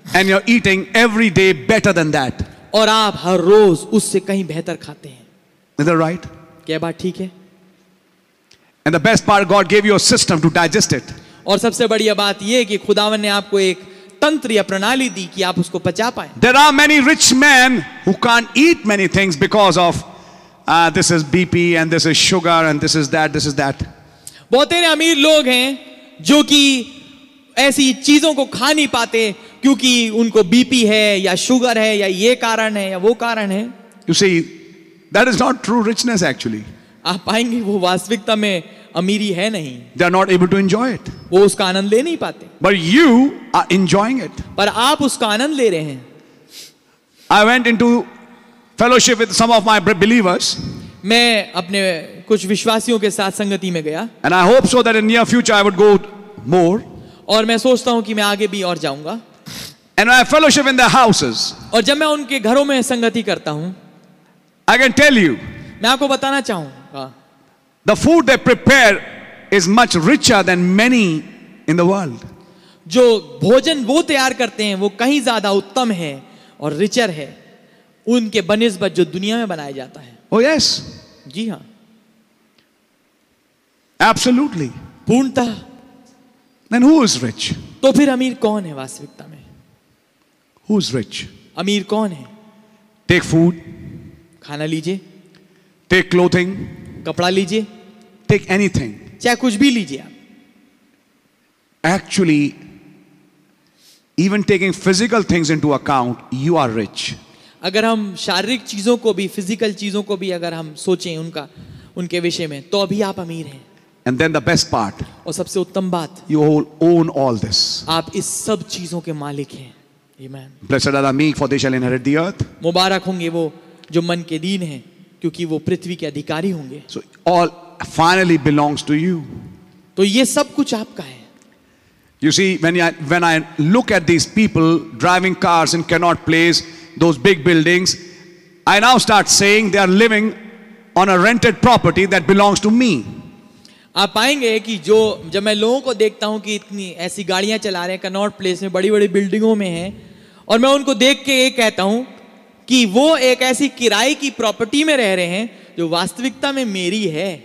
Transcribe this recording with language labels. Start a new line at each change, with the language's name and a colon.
English: And you are eating every day better than that.
Hindi: और आप हर रोज उससे कहीं बेहतर खाते हैं.
English: Is that right?
Hindi: क्या बात ठीक है?
English: And the best part, God gave you a system to digest it.
Hindi: और सबसे बढ़िया बात ये कि खुदावन ने आपको एक तंत्र या प्रणाली दी कि आप उसको पचा पाए.
English: There are many rich men who can't eat many things because of this is BP and this is sugar and this is that, this is that.
Hindi: बहुत सारे अमीर लोग हैं जो कि ऐसी चीजों को खा नहीं पाते क्योंकि उनको बीपी है या शुगर है या ये कारण है या वो कारण है.
English: You see, that is not true richness actually.
Hindi: आप पाएंगे वो वास्तविकता में अमीरी है नहीं.
English: They are not able to enjoy it.
Hindi: वो उसका आनंद ले नहीं पाते.
English: But you are enjoying it.
Hindi: पर आप उसका आनंद ले रहे हैं.
English: I went into fellowship with some of my believers.
Hindi: मैं अपने कुछ विश्वासियों के साथ संगति में गया.
English: And I hope so that in near future I would go more.
Hindi: और मैं सोचता हूं कि मैं आगे भी और जाऊंगा.
English: And I have fellowship in their houses.
Hindi: और जब मैं उनके घरों में संगति करता हूं,
English: I can tell you,
Hindi: मैं आपको बताना चाहूंगा,
English: the food they prepare is much richer than many in the world.
Hindi: जो भोजन वो तैयार करते हैं वो कहीं ज्यादा उत्तम है और richer है उनके बनिस्बत जो दुनिया में बनाया जाता है.
English: Oh yes.
Hindi: जी हाँ.
English: Absolutely.
Hindi: पूर्णतः.
English: Then who is rich?
Hindi: तो फिर अमीर कौन है वास्तविकता में?
English: Who is rich?
Hindi: अमीर कौन है?
English: Take food.
Hindi: खाना लीजिए.
English: Take clothing.
Hindi: कपड़ा लीजिए.
English: Take anything.
Hindi: चाहे कुछ भी लीजिए आप.
English: Actually, even taking physical things into account, you are rich.
Hindi: अगर हम शारीरिक चीजों को भी फिजिकल चीजों को भी अगर हम सोचें उनका उनके विषय में तो अभी आप अमीर हैं.
English: And then the best part.
Hindi: और सबसे उत्तम बात.
English: You own all this.
Hindi: आप इस सब चीजों के मालिक हैं.
English: Amen. Blessed are the meek, for they shall inherit the earth.
Hindi: मुबारक होंगे वो जो मन के दीन हैं, क्योंकि वो पृथ्वी के अधिकारी होंगे.
English: So all finally belongs to you.
Hindi: तो ये सब कुछ आपका है.
English: You see, when I look at these people driving cars and cannot place those big buildings, I now start saying they are living on a rented property that belongs to me.
Hindi: आप पाएंगे कि जो जब मैं लोगों को देखता हूं कि इतनी ऐसी गाड़ियां चला रहे हैं कनॉट प्लेस में बड़ी बड़ी बिल्डिंगों में हैं, और मैं उनको देख के ये कहता हूं कि वो एक ऐसी किराए की प्रॉपर्टी में रह रहे हैं जो वास्तविकता में मेरी है.